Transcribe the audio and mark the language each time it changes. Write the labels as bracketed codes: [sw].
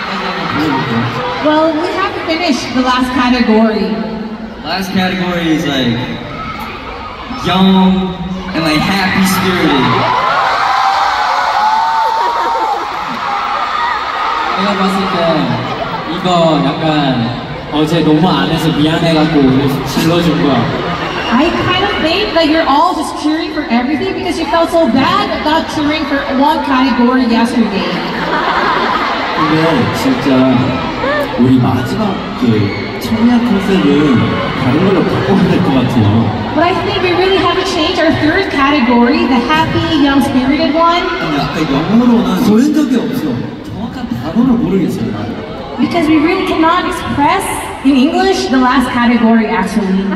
[en] Well, we have to finish the last category. Last category is like young and like happy spirited. [ko] 내가 봤을 때 이거 약간 어제 너무 안 해서 미안해갖고 질러준 거야. [en] I kind of think that you're all just cheering for everything because you felt so bad about cheering for one category yesterday. [ko] 근데 진짜 우리 마지막 그 청량 컨셉은 다른 걸로 바꿔야 될 것 같아요. [en] But I think we really have to change our third category, the happy, young, spirited one. [ko] 아니 아까 영어로는 보인 적이 없어. 정확한 단어를 모르겠어요. [en] Because we really cannot express in English the last category actually.